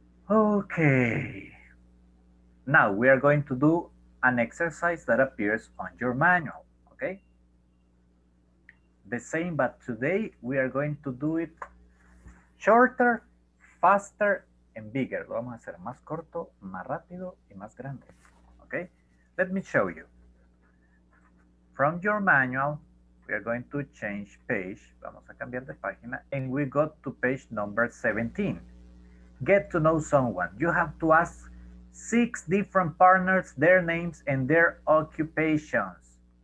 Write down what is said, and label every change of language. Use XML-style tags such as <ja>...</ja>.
<en>Okay. Now we are going to do an exercise that appears on your manual, okay? The same, but today we are going to do it shorter, faster, and bigger.</en> <es>Lo vamos a hacer más corto, más rápido, y más grande.</es> <en>Okay? Let me show you. From your manual, we are going to change page.</en> <es>Vamos a cambiar de página.</es> <en>And we go to page number 17. Get to know someone. You have to ask 6 different partners their names and their occupations.</en>